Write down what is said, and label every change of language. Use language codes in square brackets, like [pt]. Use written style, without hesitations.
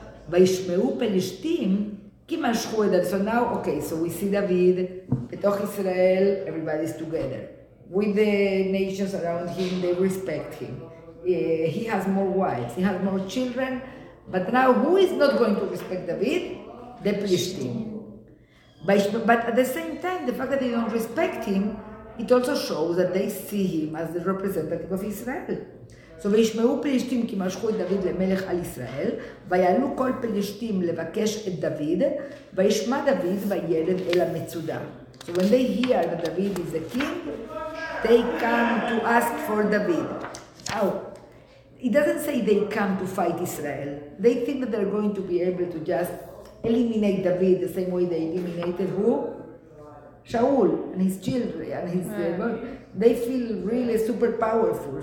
[he] וישמעו פלשתים כי משכו את דוד. [en] So now, okay, so we see David, [he] בתוך ישראל, [en] everybody's together. With the nations around him, they respect him. He has more wives, he has more children, but now who is not going to respect David? The פלשתים. But at the same time, the fact that they don't respect him, it also shows that they see him as the representative of Israel. So [he] וישמעו פלישתים כי משכו את דוד למלך על ישראל, ויעלו כל פלישתים לבקש את דוד, וישמע דוד וילד אל המצודה. [en] So when they hear that David is the king, they come to ask for David. Oh, it doesn't say they come to fight Israel. They think that they're going to be able to just eliminate David the same way they eliminated who? Shaul and his children and his they feel really super powerful.